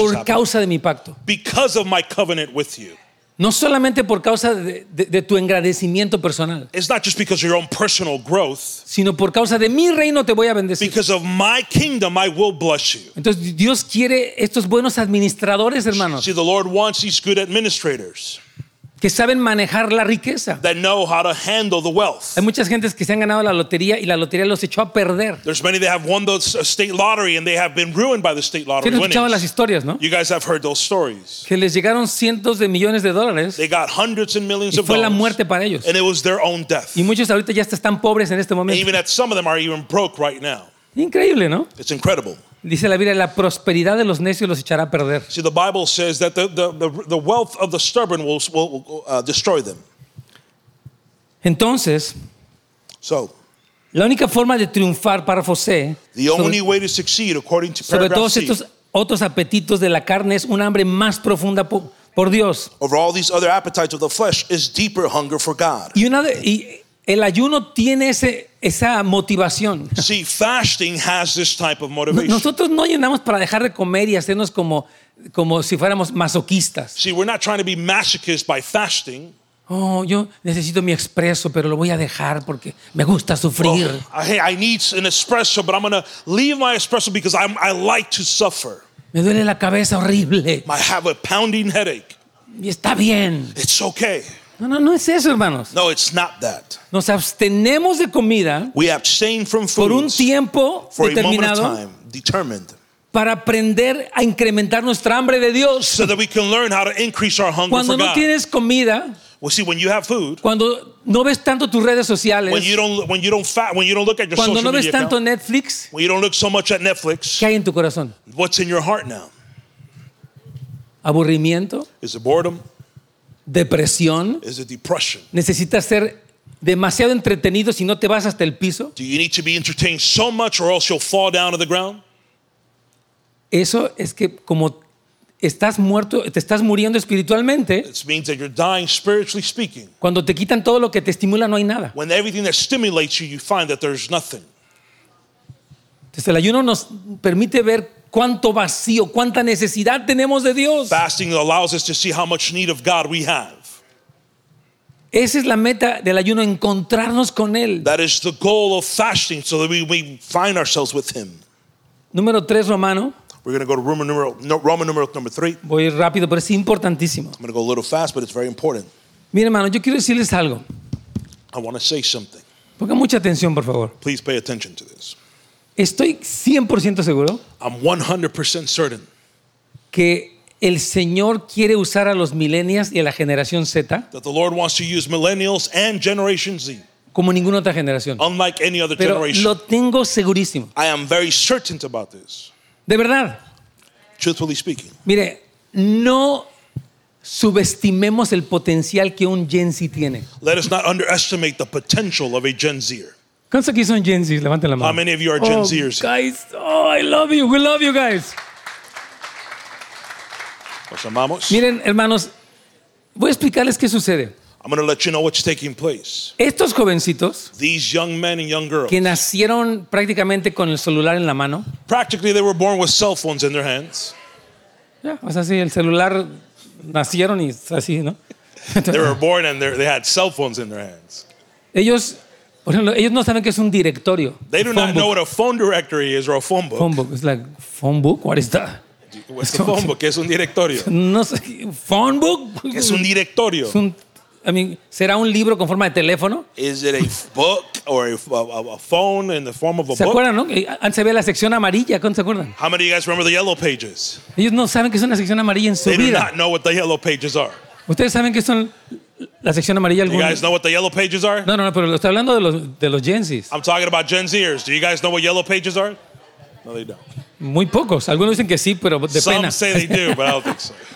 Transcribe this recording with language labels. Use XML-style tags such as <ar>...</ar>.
<es>Por causa de mi pacto.</es> <en>Because of my covenant with you.</en> <es>No solamente por causa de tu engrandecimiento personal.</es> <en>It's not just because of your own personal growth.</en> <es>Sino por causa de mi reino te voy a bendecir.</es> <en>Because of my kingdom, I will bless you.</en> <es>Entonces Dios quiere estos buenos administradores, hermanos.</es> <en>See, the Lord wants these good administrators.</en> <es>Que saben manejar la riqueza.</es> <en>That know how to handle the wealth.</en> <es>Hay muchas gentes que se han ganado la lotería y la lotería los echó a perder.</es> <en>There's many that have won the state lottery and they have been ruined by the state lottery winnings.</en> <es>¿Han escuchado las historias, no?</es> <en>You guys have heard those stories.</en> <es>Que les llegaron cientos de millones de dólares.</es> <en>They got hundreds and millions of</en> <es>dollars. Y fue la muerte para ellos.</es> <en>And it was their own death.</en> <es>Y muchos ahorita ya están pobres en este momento.</es> <en>And even that some of them are even broke right now.</en> <es>Increíble, ¿no?</es> <en>It's incredible.</en> <es>Dice la Biblia, la prosperidad de los necios los echará a perder.</es> <en>See, the Bible says that the wealth of the stubborn will destroy them.</en> <es>Entonces,</es> <en>so,</en> <es>la única forma de triunfar para José,</es> <en>the only way to succeed, according to</en> <es>sobre</es> <en>paragraph</en> <es>todos</es> <en>C,</en> <es>estos otros apetitos de la carne es un hambre más profunda por Dios.</es> <en>Over all these other appetites of the flesh is deeper hunger for God.</en> <es>El ayuno tiene esa motivación.</es> <en>See, fasting has this type of motivation.</en> <es>Nosotros no ayunamos para dejar de comer y hacernos como si fuéramos masoquistas.</es> <en>See, we're not trying to be masochists by fasting.</en> <es>Oh, yo necesito mi expreso, pero lo voy a dejar porque me gusta sufrir.</es> <en>I need an espresso, but I'm going to leave my espresso because I like to suffer.</en> <es>Me duele la cabeza horrible.</es> <en>I have a pounding headache.</en> <es>Y está bien.</es> <en>It's okay.</en> <es>No es eso, hermanos.</es> <en>No, it's not that.</en> <es>Nos abstenemos de comida</es> <en>we abstain from</en> <es>por un tiempo</es> <en>for</en> <es>determinado</es> <en>a moment of time, determined.</en> <es>para aprender a incrementar nuestra hambre de Dios.</es> <en>So that we can learn how to increase our hunger</en> <es>cuando</es> <en>for</en> <es>no</es> <en>God.</en> <es>Tienes comida,</es> <en>well, see, when you have food,</en> <es>cuando no ves tanto tus redes sociales, cuando no ves tanto</es> <en>account, Netflix, when you don't look so much at Netflix,</en> <es>¿qué hay en tu corazón?</es> <en>What's in your heart now?</en> <es>Aburrimiento.</es> <en>Is it boredom?</en> <es>Depresión.</es> <en>Is it depression?</en> <es>Necesitas ser demasiado entretenido si no te vas hasta el piso.</es> <en>Do you need to be entertained so much or else you'll fall down to the ground?</en> <es>Eso es que como estás muerto, te estás muriendo espiritualmente.</es> <en>It means that you're dying spiritually speaking.</en> <es>Cuando te quitan todo lo que te estimula, no hay nada.</es> <en>When everything that stimulates you, you find that there's nothing.</en> <es>Entonces el ayuno nos permite ver cuánto vacío, cuánta necesidad tenemos de Dios.</es> <en>Fasting allows us to see how much need of God we have.</en> <es>Esa es la meta del ayuno, encontrarnos con Él.</es> <en>That is the goal of fasting, so that we find ourselves with Him.</en> <es>Número tres, Romano.</es> <en>We're going to go to Roman numeral number three.</en> <es>Voy rápido, pero es importantísimo.</es> <en>I'm going to go a little fast, but it's very important.</en> <es>Mira, hermano, yo quiero decirles algo.</es> <en>I want to say something.</en> <es>Ponga mucha atención, por favor.</es> <en>Please pay attention to this.</en> <es>Estoy 100% seguro.</es> <en>I'm 100% certain.</en> <es>Que el Señor quiere usar a los millennials y a la generación Z.</es> <en>That the Lord wants to use millennials and Generation Z.</en> <es>Como ninguna otra generación.</es> <en>Unlike any other</en> <es>pero</es> <en>generation.</en> <es>Pero lo tengo segurísimo.</es> <en>I am very certain about this.</en> <es>De verdad.</es> <en>Truthfully speaking.</en> <es>Mire, no subestimemos el potencial que un Gen Z tiene.</es> <en>Let us not underestimate the potential of a Gen Zer.</en> <es>¿Cuántos aquí son Gen Zers? Levanten la mano.</es> <en>How many of you are Gen Zers? Oh, guys, oh, I love you. We love you guys.</en> <es>Los amamos. Miren, hermanos, voy a explicarles qué sucede.</es> <en>I'm going to let you know what's taking place.</en> <es>Estos jovencitos,</es> <en>these young men and young girls,</en> <es>que nacieron prácticamente con el celular en la mano,</es> <en>practically they were born with cell phones in their hands.</en> <es>Ya, yeah, o sea, sí, el celular nacieron y así, ¿no?</es> <en>They were born and they had cell phones in their hands.</en> <es>Ellos, por ejemplo, ellos no saben qué es un directorio.</es> <en>They do not know what a phone directory is or a phone book. Phone book, it's like phone book. What is that?</en> <es>¿Es un phone book? ¿Es un directorio? No sé. ¿Phone book? ¿Es un directorio? Es un,</es> <en>I mean,</en> <es>¿será un libro con forma de teléfono? ¿Es un libro o</es> <en>a phone</en> <es>en la forma de un book? ¿Se acuerdan, no? Antes había la sección amarilla. ¿Cuándo se acuerdan?</es> <en>How many of you guys remember the yellow pages?</en> <es>Ellos no saben qué es una sección amarilla en su</es> <en>they</en> <es>vida.</es> <en>They do not know what the yellow pages are.</en> <es>¿Ustedes saben qué son la sección amarilla?</es> <en>Do you guys know what the yellow pages are?</en> <es>No, no, no, pero estoy hablando de los Gen Zs.</es> <en>I'm talking about Gen Zers. Do you guys know what yellow pages are? No, they don't.</en> <es>Muy pocos. Algunos dicen que sí, pero de</es> <en>some</en> <es>pena.</es> <en>Some say they do, but I don't think so.</en>